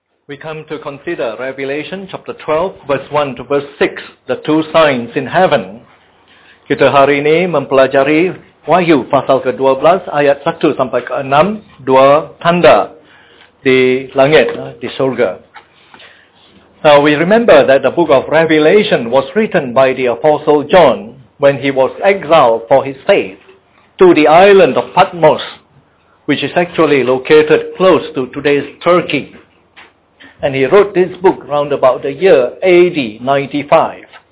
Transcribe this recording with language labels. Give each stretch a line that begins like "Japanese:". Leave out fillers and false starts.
English: We come to consider Revelation chapter 12 verse 1 to verse 6, the two signs in heaven.
Indonesian: Kita hari ini mempelajari Wahyu pasal ke-12 ayat 1 sampai ke-6, dua tanda di langit, di surga.
English: Now we remember that the book of Revelation was written by the apostle John when he was exiled for his faith to the island of Patmos, which is actually located close to today's Turkey. And he wrote this book round about the year AD 95.